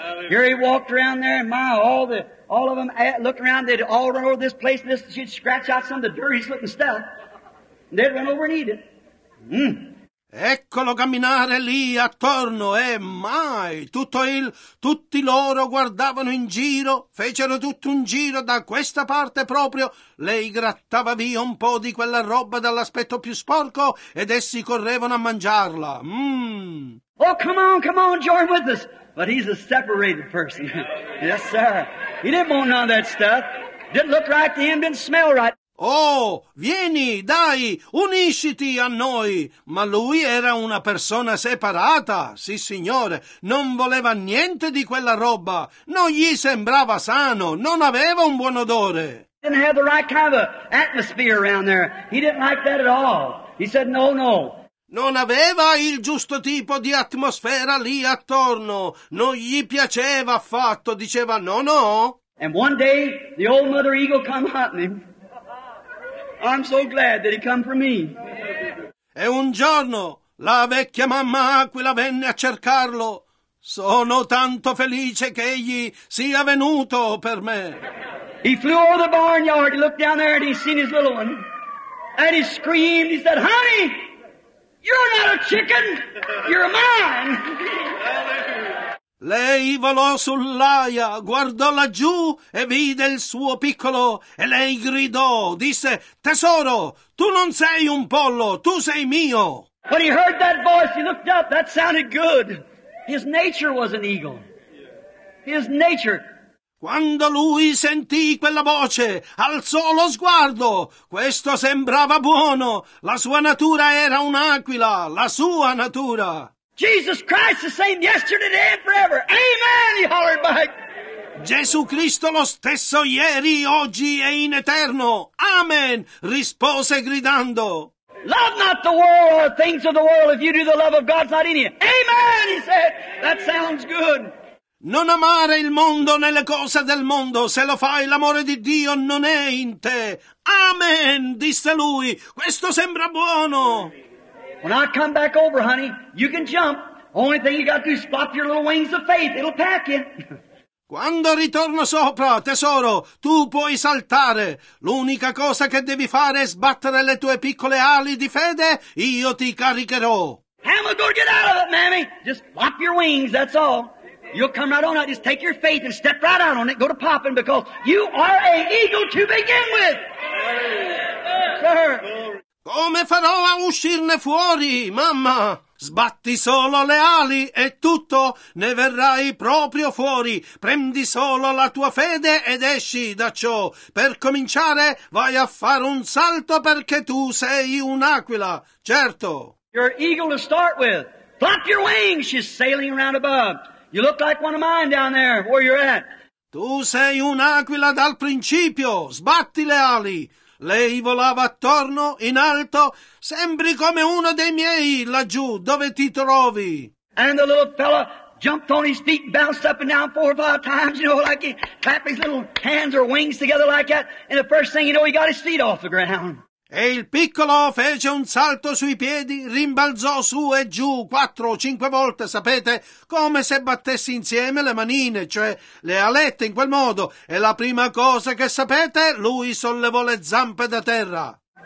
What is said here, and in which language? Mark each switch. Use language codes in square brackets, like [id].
[en] Here he walked around there and my all of them looked around, they'd all run over this place, and she'd scratch out some of the dirtiest looking stuff, and they'd run over and eat it. [it] Eccolo camminare lì attorno, e mai, tutti loro guardavano in giro, fecero tutto un giro da questa parte proprio, lei grattava via un po' di quella roba dall'aspetto più sporco, ed essi correvano a mangiarla. [en] Oh, come on, join with us! But he's a separated person. Yes, sir. He didn't want none of that stuff. Didn't look right to him, didn't smell right. [it] Oh, vieni, dai, unisciti a noi. Ma lui era una persona separata, sì signore. Non voleva niente di quella roba. Non gli sembrava sano, non aveva un buon odore. [en] Didn't have the right kind of atmosphere around there. He didn't like that at all. He said, no. [it] Non aveva il giusto tipo di atmosfera lì attorno. Non gli piaceva affatto, diceva no. [en] And one day the old mother eagle come hunting him. I'm so glad that he come for me. [it] E un giorno la vecchia mamma aquila venne a cercarlo. Sono tanto felice che egli sia venuto per me. [en] He flew over the barnyard, he looked down there and he seen his little one. And he screamed, he said, honey, you're not a chicken, you're mine. [it] Lei volò sull'aia, guardò laggiù e vide il suo piccolo e lei gridò, disse, tesoro, tu non sei un pollo, tu sei mio. [en] When he heard that voice, he looked up, that sounded good. His nature was an eagle. His nature. [it] Quando lui sentì quella voce, alzò lo sguardo. Questo sembrava buono. La sua natura era un'aquila, la sua natura. [en] Jesus Christ the same yesterday, today and forever. Amen, he hollered back. [it] Gesù Cristo lo stesso ieri, oggi e in eterno. Amen, rispose gridando. [en] Love not the world or things of the world. If you do, the love of God's not in you. Amen, he said. That sounds good. [it] Non amare il mondo né le cose del mondo, se lo fai l'amore di Dio non è in te. Amen, disse lui, questo sembra buono. [en] When I come back over, honey, you can jump. Only thing you got to do is flap your little wings of faith, it'll pack you. [it] Quando ritorno sopra, tesoro, tu puoi saltare. L'unica cosa che devi fare è sbattere le tue piccole ali di fede, io ti caricherò. [en] How am I gonna get out of it, mammy? Just flap your wings, that's all. You'll come right on out. Just take your faith and step right out on it. Go to popping because you are an eagle to begin with. Sir. [it] Come farò a uscirne fuori, mamma? Sbatti solo le ali e tutto. Ne verrai proprio fuori. Prendi solo la tua fede ed esci da ciò. Per cominciare, vai a fare un salto perché tu sei un'aquila. Certo. [en] You're an eagle to start with. Flap your wings. She's sailing around above. You look like one of mine down there, where you're at. [it] Tu sei un'aquila dal principio, sbatti le ali. Lei volava attorno, in alto, sembri come uno dei miei laggiù, dove ti trovi. [en] And the little fella jumped on his feet and bounced up and down four or five times, you know, like he clapped his little hands or wings together like that, and the first thing you know, he got his feet off the ground. [it] E il piccolo fece un salto sui piedi, rimbalzò su e giù quattro o cinque volte, sapete, come se battesse insieme le manine, cioè le alette in quel modo. E la prima cosa che sapete, lui sollevò le zampe da terra.